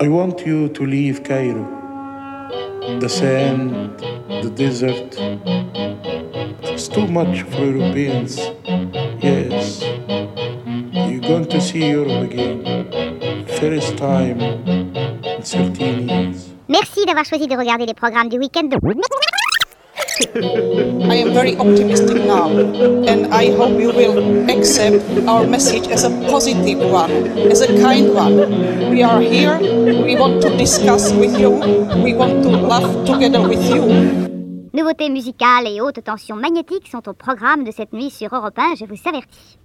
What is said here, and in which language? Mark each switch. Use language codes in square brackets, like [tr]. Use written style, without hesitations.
[en] I want you to leave Cairo. The sand, the desert. It's too much for Europeans. Yes. Going to see Europe again. First time in 13 years. [fr] Merci d'avoir choisi de regarder les programmes du week-end. [en] I am very optimistic now, and I hope you will accept our message as a positive one, as a kind one. We are here, we want to discuss with you, we want to laugh together with you. [fr] Nouveautés musicales et hautes tensions magnétiques sont au programme de cette nuit sur Europe 1, je vous avertis.